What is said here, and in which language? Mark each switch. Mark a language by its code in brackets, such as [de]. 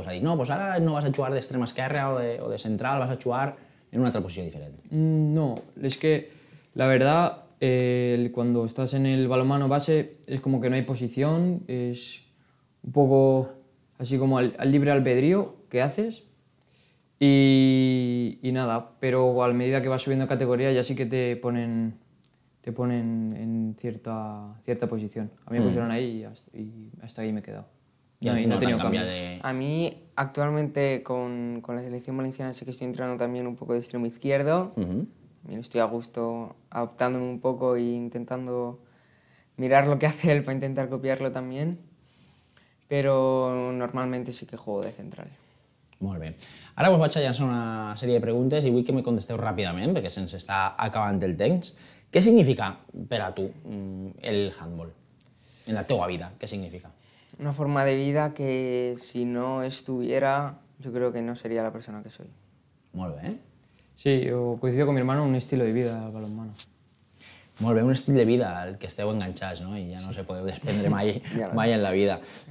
[ca] Us ha dit, no, pues ara no vas a jugar d'extrema esquerra o de central, vas a jugar en una altra posició diferent. [es] No, es que la verdad... cuando estás en el balonmano base es como que no hay posición, es un poco así como al libre albedrío que haces y nada, pero a medida que vas subiendo categoría ya sí que te ponen en cierta posición. A mí me pusieron ahí y hasta ahí me he quedado. No he tenido cambio. De... A mí actualmente con la selección valenciana sé que estoy entrando también un poco de extremo izquierdo. Uh-huh. Estoy a gusto adaptándome un poco e intentando mirar lo que hace él para intentar copiarlo también. Pero normalmente sí que juego de central. [ca] Molt bé. Ara us vaig a llançar una sèrie de preguntes i vull que me contesteu ràpidament, perquè se'ns està acabant el temps. Què significa per a tu el handball? En la teua vida, què significa? [es] Una forma de vida que si no estuviera, yo creo que no sería la persona que soy. [ca] Molt bé. [es] Sí, yo coincido con mi hermano un estilo de vida al balonmano. Muy bien, un estilo de vida al que [ca] esteu enganchats, [es] ¿no? Y ya no se puede [ca] desprendre mai [es] en la vida.